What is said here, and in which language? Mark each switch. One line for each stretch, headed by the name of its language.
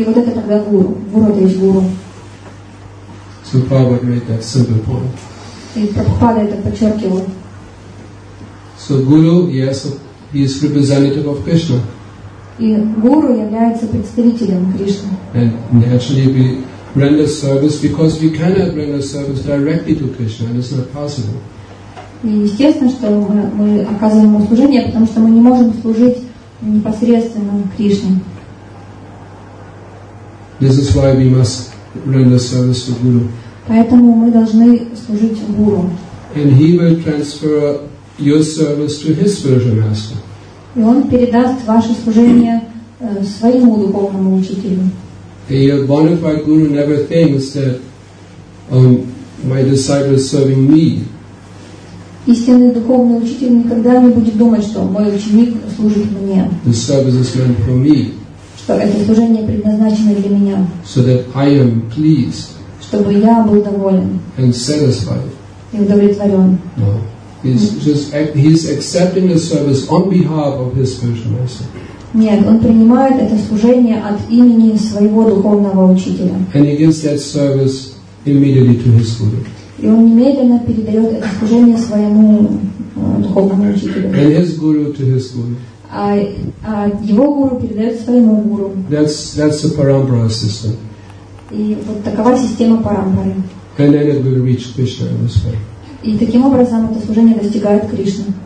Russian: И вот это тогда гуру. Гуру это есть гуру.
English: So Prabhupada made that simple point.
Russian: И Прабхупада это подчеркивал.
English: So guru, yes, he is representative of Krishna.
Russian: И гуру является представителем Кришны.
English: And naturally we render service because we cannot render service directly to Krishna, and it's not possible.
Russian: И естественно, что мы оказываем служение, потому что мы не можем служить непосредственно Кришне.
English: This is why we must render service to Guru.
Russian: Поэтому мы должны служить Гуру.
English: And he will transfer your service to his spiritual master.
Russian: И он передаст ваше служение своему духовному учителю.
English: A bona fide guru never thinks that my disciple is serving me.
Russian: истинный духовный учитель никогда не будет думать, что мой ученик служит мне.
English: The service is meant for me.
Russian: Что это служение предназначено для меня.
English: So that I am pleased.
Russian: Чтобы я был доволен.
English: And satisfied.
Russian: И удовлетворен.
English: No. He's accepting the service on behalf of his spiritual master.
Russian: Нет, он принимает это служение от имени своего духовного учителя.
English: And he gives that service immediately to his guru.
Russian: И он немедленно передает это служение своему духовному учителю.
English: And his guru to his guru.
Russian: А его гуру передает своему гуру.
English: That's the parampara system.
Russian: И вот такова система парампары.
English: And then it will reach Krishna in this way.
Russian: И таким образом это служение достигает Кришны.